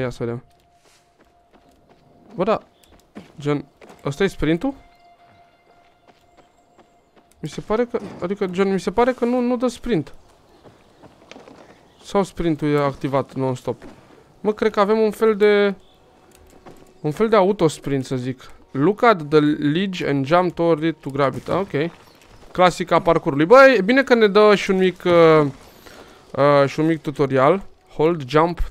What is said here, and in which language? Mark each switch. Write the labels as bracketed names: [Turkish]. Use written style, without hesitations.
[Romanian] Ia să vedem. Bă, da. Gen, ăsta e sprintul? Mi se pare că... Adică, gen, mi se pare că nu dă sprint. Sau sprintul e activat non-stop. Mă, cred că avem un fel de autosprint, să zic. [English] Look at the ledge and jump toward it to grab it. [Romanian] Ok. Clasica parcursului. Băi, e bine că ne dă și un mic și un mic tutorial. [English] Hold, jump.